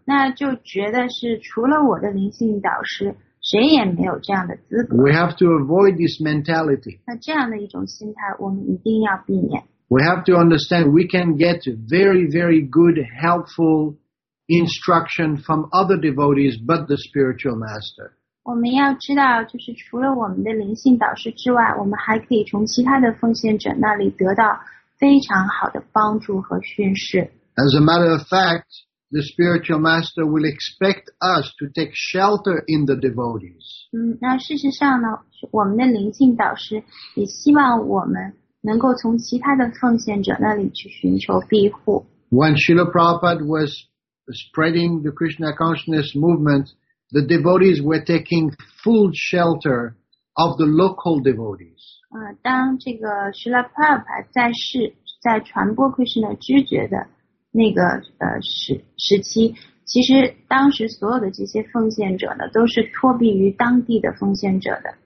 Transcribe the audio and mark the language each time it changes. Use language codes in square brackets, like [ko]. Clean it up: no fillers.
[zh] 那就觉得是除了我的灵性导师谁也没有这样的资格。 [en] We have to avoid this mentality. [zh] 那这样的一种心态我们一定要避免。 [en] We have to understand we can get very, very good, helpful instruction from other devotees but the spiritual master. [zh] 我们要知道就是除了我们的灵性导师之外我们还可以从其他的奉献者那里得到非常好的帮助和训示。 [en] As a matter of fact,the spiritual master will expect us to take shelter in the devotees. [zh] 那事实上呢我们的灵性导师也希望我们能够从其他的奉献者那里去寻求庇护。 [en] When Srila Prabhupada was spreading the Krishna consciousness movement, the devotees were taking full shelter of the local devotees. [zh] 当这个 Srila Prabhupada 在世在传播 Krishna 知觉的那个时期其实当时所有的这些奉献者呢都是托庇于当地的奉献者的。